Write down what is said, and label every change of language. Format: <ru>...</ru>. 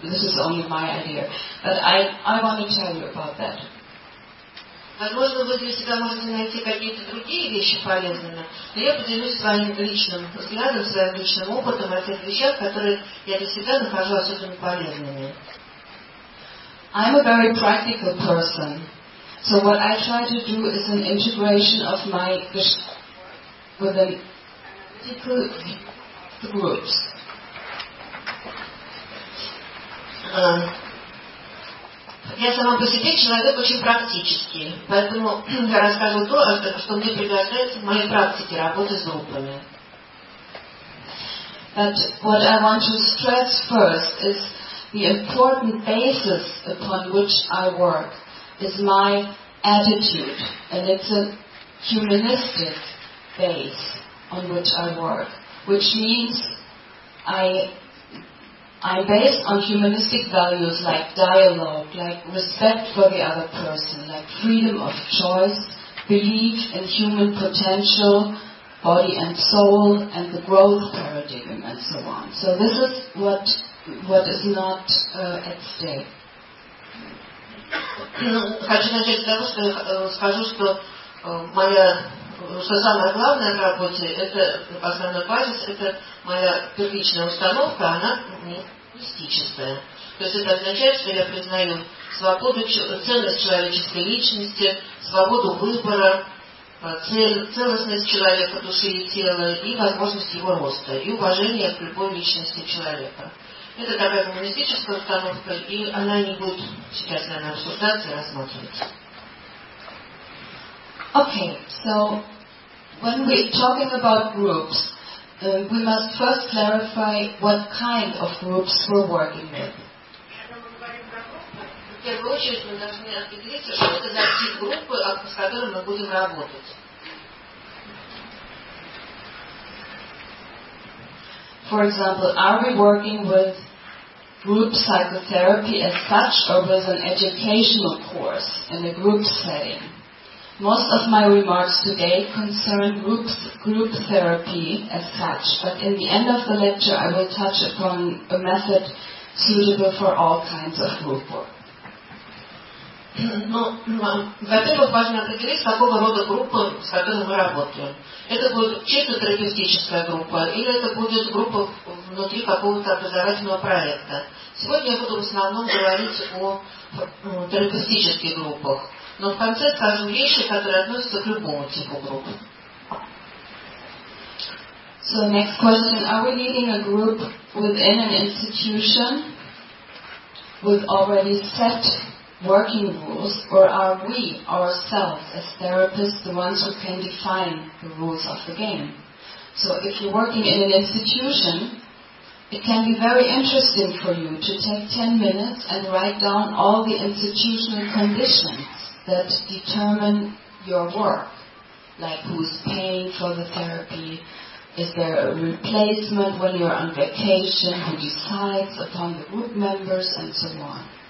<en>this is only my idea, but I want to tell you about that.</en> <ru>Возможно, вы для себя можете найти какие-то другие вещи полезными, но я поделюсь своим личным взглядом, своим личным опытом о тех вещах, которые я для себя нахожу особенно полезными.</ru> <en>I'm a very practical person. So what I try to do is an integration of my with the groups.</en> <ru>Я сама по себе человек очень практический, поэтому я расскажу то, что мне пригождается в моей практике работы с группами.</ru> <en>But what I want to stress first is the important basis upon which I work is my attitude, and it's a humanistic base on which I work, which means I'm based on humanistic values like dialogue, like respect for the other person, like freedom of choice, belief in human potential, body and soul, and the growth paradigm, and so on. So this is what is not at stake.</en> <ru>Хочу начать с того, что скажу, что моя, что самое главное в работе, это основной базис, это моя первичная установка, она мистическая. То есть это означает, что я признаю свободу, ценность человеческой личности, свободу выбора, целостность человека, души и тела, и возможность его роста, и уважение к любой личности человека. Это такая гуманистическая установка, и она не будет сейчас, наверное, обсуждаться и рассматриваться.</ru> <en>Okay, so when we're talking about groups, we must first clarify what kind of groups we're working with.</en> <ru>В первую очередь мы должны определиться, что это за тип группы, с которой мы будем работать.</ru> <en>For example, are we working with group psychotherapy as such or with an educational course in a group setting? Most of my remarks today concern group therapy as such, but in the end of the lecture I will touch upon a method suitable for all kinds of group work.</en> <ru>Ну, во-первых, важно определить, какого рода группа, с которой мы работаем. Это будет чисто терапевтическая группа, или это будет группа внутри какого-то образовательного проекта. Сегодня я буду в основном говорить о терапевтических группах. Но в конце скажу вещи, которые относятся к любому типу групп.</ru> <en>So, next question. Are we leading a group within an institution with already set working rules, or are we ourselves as therapists the ones who can define the rules of the game? So if you're working in an institution, it can be very interesting for you to take 10 minutes and write down all the institutional conditions that determine your work, like who's paying for the therapy, is there a replacement when you're on vacation, who decides upon the group members, and so on.</en>